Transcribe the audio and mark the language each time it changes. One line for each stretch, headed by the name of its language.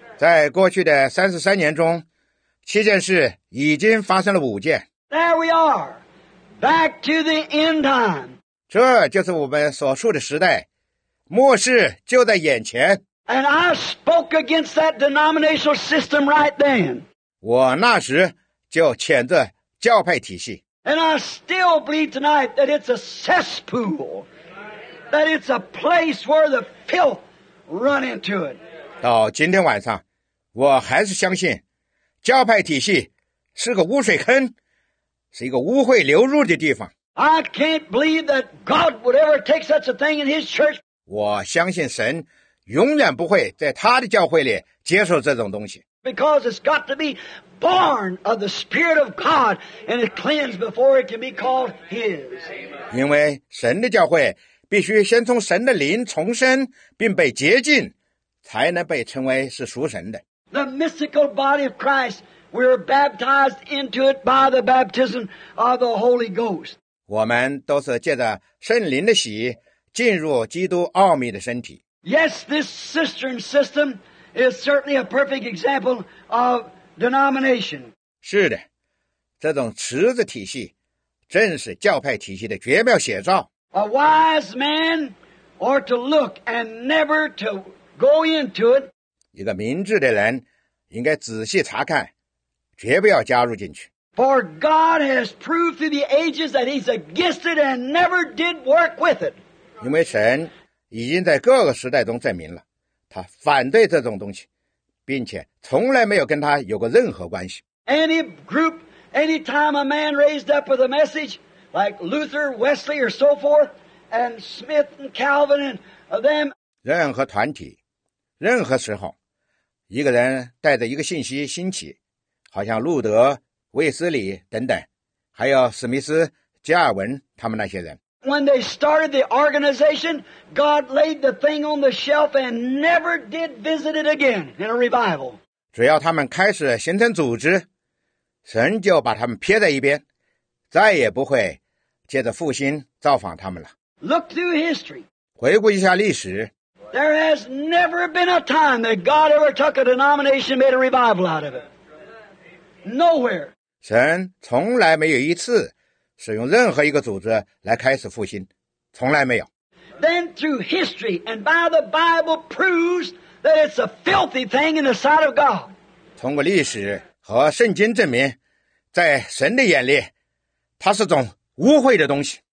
Chinese: 在过去的33年中，七件事已经发生了五件。
English: There we are, back to the end time.
Chinese: 这就是我们所处的时代，末世就在眼前。
English: And I spoke against that denominational system right then.
Chinese: 我那时就谴责教派体系。
English: And I still believe tonight that it's a cesspool, that it's a place where the filth run into it.
Chinese: 到今天晚上，我还是相信教派体系是个污水坑，是一个污秽流入的地方。
English: I can't believe that God would ever take such a thing in His church.
Chinese: 我相信神永远不会在他的教会里接受这种东西。
English: Because it's got to be born of the Spirit of God and it cleansed before it can be called His.
Chinese: 因为神的教会必须先从神的灵重生并被洁净，才能被称为是属神的。
English: The mystical body of Christ, we are baptized into it by the baptism of the Holy Ghost.
Chinese: 我们都是借着圣灵的洗进入基督奥秘的身体。
English: Yes, this cistern system is certainly a perfect example of denomination.
Chinese: 是的，这种池子体系正是教派体系的绝妙写照。
English: A wise man ought to look and never to go into it.
Chinese: 一个明智的人应该仔细查看，绝不要加入进去。
English: For God has proved through the ages that He's against it and never did work with it.
Chinese: 因为神已经在各个时代中证明了他反对这种东西，并且从来没有跟他有过任何关系。
English: Any group, any time a man raised up with a message like Luther, Wesley, or so forth, and Smith and Calvin and them,
Chinese: 任何团体，任何时候，一个人带着一个信息兴起，好像路德、卫斯理等等，还有史密斯、加尔文他们那些人。
English: When they started the organization, God laid the thing on the shelf and never did visit it again in a revival.
Chinese: 只要他们开始形成组织，神就把他们撇在一边，再也不会借着复兴造访他们了。
English: Look through history.
Chinese: 回顾一下历史。
English: There has never been a time that God ever took a denomination and made a revival out of it. Nowhere.
Chinese: 神从来没有一次使用任何一个组织来开始复兴，从来没有。
English: Then through history and by the Bible proves that it's a filthy thing in the sight of God.
Chinese: 通过历史和圣经证明，在神的眼里，它是种污秽的东西。